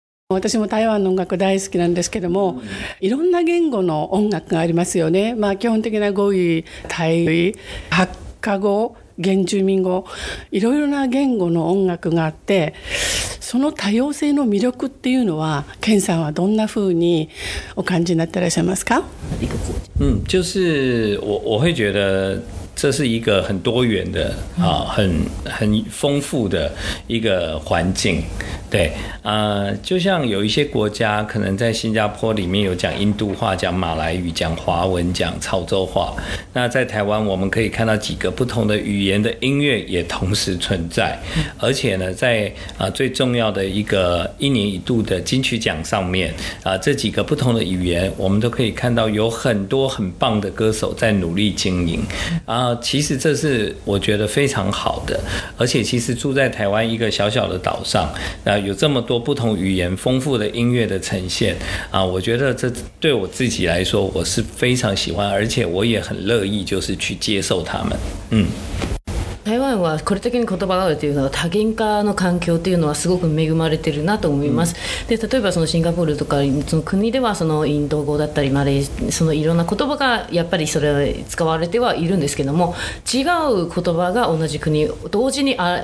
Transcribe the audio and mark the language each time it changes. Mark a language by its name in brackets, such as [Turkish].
[Japanese] 私も台湾の音楽大好きなんですけども、いろんな言語の音楽がありますよね。まあ、基本的な語彙、台語、客家語、原住民語、いろいろな言語の音楽があって、その多様性の魅力っていうのは、ケンさんはどんな風にお感じになっていらっしゃいますか？ [Chinese] 就是 我会觉得这是一个很多元的、很丰富的一个环境。对、就像有一些国家可能在新加坡里面有讲印度话、讲马来语、讲华文、讲潮州话，那在台湾我们可以看到几个不同的语言的音乐也同时存在，而且呢，在、最重要的一个一年一度的金曲奖上面、这几个不同的语言我们都可以看到有很多很棒的歌手在努力经营、其实这是我觉得非常好的。而且其实住在台湾一个小小的岛上，有这么多不同语言丰富的音乐的呈现、我觉得这对我自己来说我是非常喜欢，而且我也很乐意就是去接受他们。 [Japanese] 台湾はこれだけに言葉があるというのは、多元化の環境というのはすごく恵まれているなと思います、で、例えばそのシンガポールとかその国ではそのインド語だったりマレー、そのいろんな言葉がやっぱりそれ使われてはいるんですけども、違う言葉が同じ国同時に